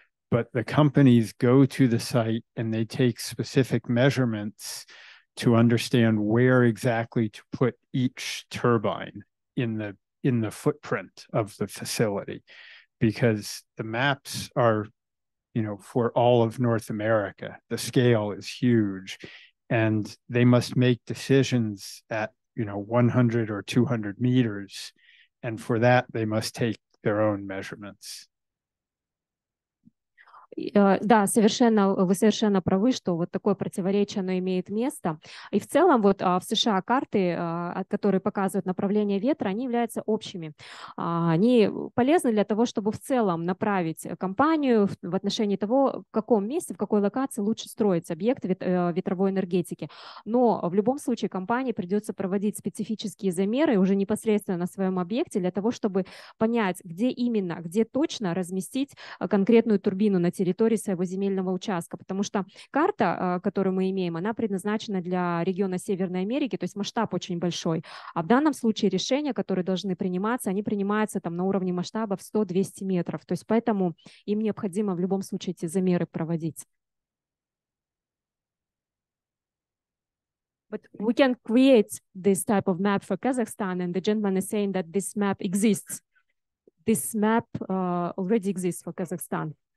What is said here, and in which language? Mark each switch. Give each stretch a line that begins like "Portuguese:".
English: But the companies go to the site and they take specific measurements to understand where exactly to put each turbine in the footprint of the facility, because the maps are, you know, for all of North America, the scale is huge, and they must make decisions at, you know, 100 or 200 meters. And for that, they must take their own measurements.
Russian: Да, совершенно, вы совершенно правы, что вот такое противоречие, оно имеет место. И в целом вот в США карты, которые показывают направление ветра, они являются общими. Они полезны для того, чтобы в целом направить компанию в отношении того, в каком месте, в какой локации лучше строить объект ветровой энергетики. Но в любом случае компании придется проводить специфические замеры уже непосредственно на своем объекте для того, чтобы понять, где именно, где точно разместить конкретную турбину на территории своего земельного участка, потому что карта, которую мы имеем, она предназначена для региона Северной Америки, то есть масштаб очень большой, а в данном случае решения, которые должны приниматься, они принимаются там на уровне масштаба в 100-200 метров, то есть поэтому им необходимо в любом случае эти замеры проводить.
English: But we can create this type of map for Kazakhstan, and the gentleman is saying that this map exists. This map already exists for Kazakhstan.